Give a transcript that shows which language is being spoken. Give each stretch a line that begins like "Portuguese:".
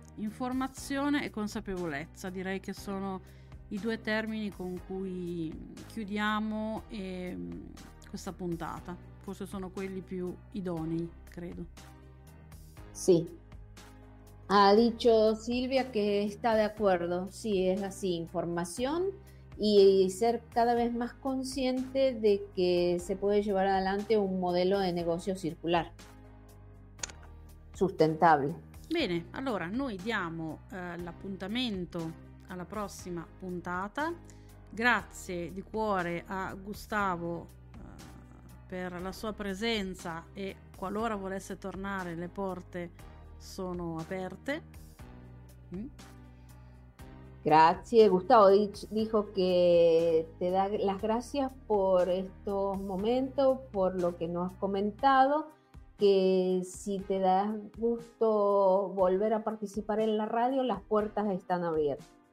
Italian: Informazione e consapevolezza, direi che sono i due termini con cui chiudiamo questa puntata. Forse sono quelli più idonei, credo. Sì. Ha detto Silvia che sta d'accordo. Sì, è così, informazione.
Spanish: Y ser cada vez más consciente de que se puede llevar adelante un modelo de negocio circular, sustentable.
Italian: Bene, allora noi diamo l'appuntamento alla prossima puntata. Grazie di cuore a Gustavo per la sua presenza, e qualora volesse tornare, le porte sono aperte. Grazie,
Spanish: Gustavo dijo que te da las gracias por estos momentos, por lo que nos has comentado, que si te da gusto volver a participar en la radio, las puertas están abiertas.